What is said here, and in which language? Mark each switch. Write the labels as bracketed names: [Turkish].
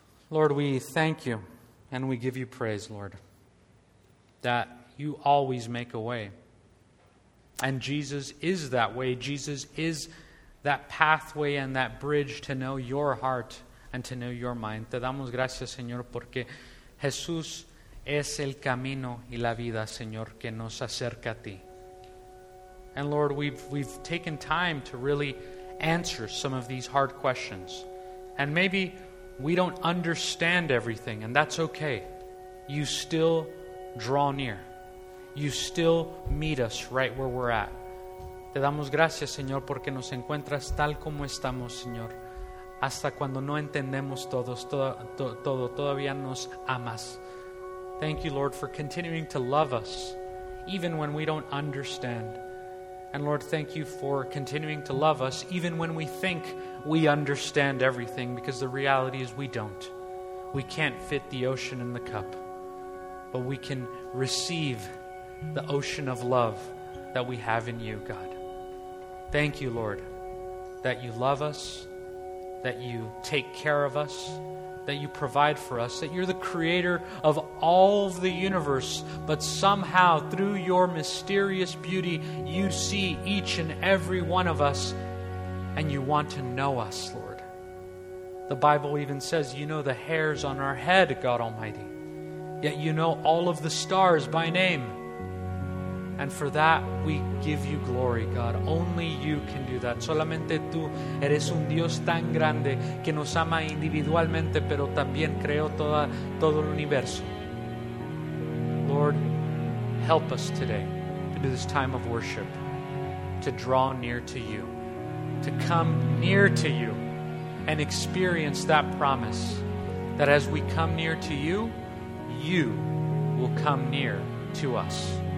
[English] Lord, we thank you and we give you praise, Lord, that you always make a way. And Jesus is that way. Jesus is that pathway and that bridge to know your heart and to know your mind. [Spanish] Te damos gracias, Señor, porque Jesús es el camino y la vida, Señor, que nos acerca a ti. [English] And Lord, we've taken time to really answer some of these hard questions. And maybe we don't understand everything, and that's okay. You still draw near. You still meet us right where we're at. [Spanish] Te damos gracias, Señor, porque nos encuentras tal como estamos, Señor. Hasta cuando no entendemos todo, todavía nos amas. [English] Thank you, Lord, for continuing to love us, even when we don't understand. And Lord, thank you for continuing to love us, even when we think we understand everything, because the reality is we don't. We can't fit the ocean in the cup, but we can receive the ocean of love that we have in you, God. Thank you, Lord, that you love us, that you take care of us, that you provide for us, that you're the creator of all of the universe, but somehow through your mysterious beauty, you see each and every one of us, and you want to know us, Lord. The Bible even says, you know the hairs on our head, God Almighty, yet you know all of the stars by name. And for that, we give you glory, God. Only you can do that. [Spanish] Solamente tú eres un Dios tan grande que nos ama individualmente, pero también creó todo el universo. [English] Lord, help us today to do this time of worship, to draw near to you, to come near to you and experience that promise that as we come near to you, you will come near to us.